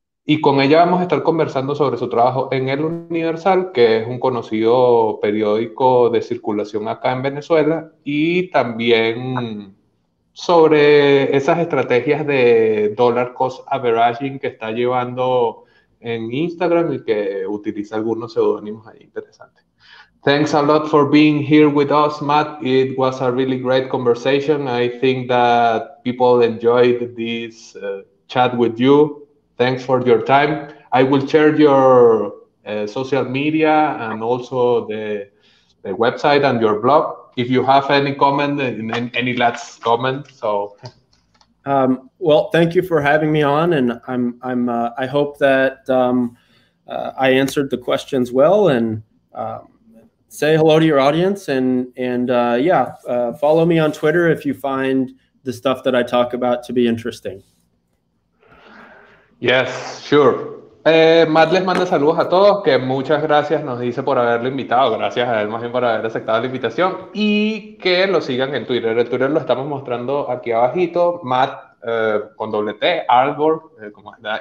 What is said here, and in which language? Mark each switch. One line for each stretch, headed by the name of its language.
Spanish: Y con ella vamos a estar conversando sobre su trabajo en El Universal, que es un conocido periódico de circulación acá en Venezuela, y también sobre esas estrategias de dollar cost averaging que está llevando en Instagram y que utiliza algunos seudónimos ahí interesantes.
English: Thanks a lot for being here with us, Matt. It was a really great conversation. I think that people enjoyed this chat with you. Thanks for your time. I will share your social media and also the website and your blog if you have any comment, any last comment. So, well, thank you for having me on, and I hope that I answered the questions well, and say hello to your audience, and follow me on Twitter if you find the stuff that I talk about to be interesting. Yes, sure.
Spanish: Matt les manda saludos a todos, que muchas gracias nos dice por haberlo invitado, gracias a él más bien por haber aceptado la invitación, y que lo sigan en Twitter. El Twitter lo estamos mostrando aquí abajito, Matt con doble T, Arbor, como está.